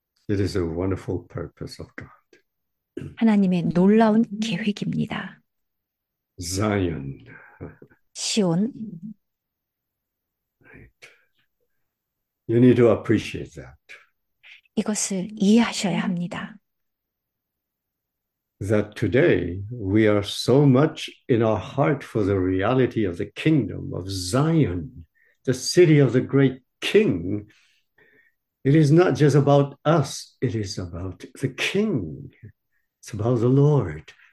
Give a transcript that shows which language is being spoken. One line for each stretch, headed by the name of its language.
English: It is a wonderful purpose of God.
Korean: 하나님의 놀라운 계획입니다.
English: Zion.
Korean: 시온.
English: You need to appreciate that.
Korean: 이것을 이해하셔야 합니다.
English: That today we are so much in our heart for the reality of the kingdom of Zion, the city of the great king. It is not just about us, it is about the king, it's about the Lord.